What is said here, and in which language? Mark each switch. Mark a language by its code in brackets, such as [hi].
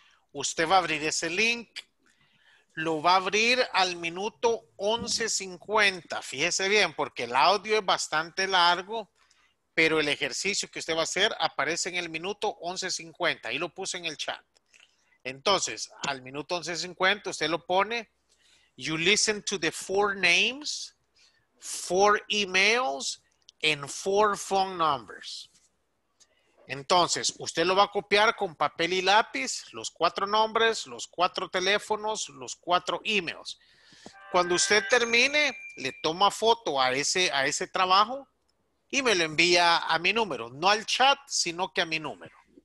[es] Usted va a abrir ese link. Lo va a abrir al minuto 11:50. Fíjese bien, porque el audio es bastante largo, pero el ejercicio que usted va a hacer aparece en el minuto 11:50. Ahí lo puse en el chat. Entonces, al minuto 11:50, usted lo pone. [en] You listen to the four names, four emails, and four phone numbers. [es] Entonces, usted lo va a copiar con papel y lápiz, los cuatro nombres, los cuatro teléfonos, los cuatro emails. Cuando usted termine, le toma foto a ese trabajo y me lo envía a mi número. No al chat, sino que a mi número.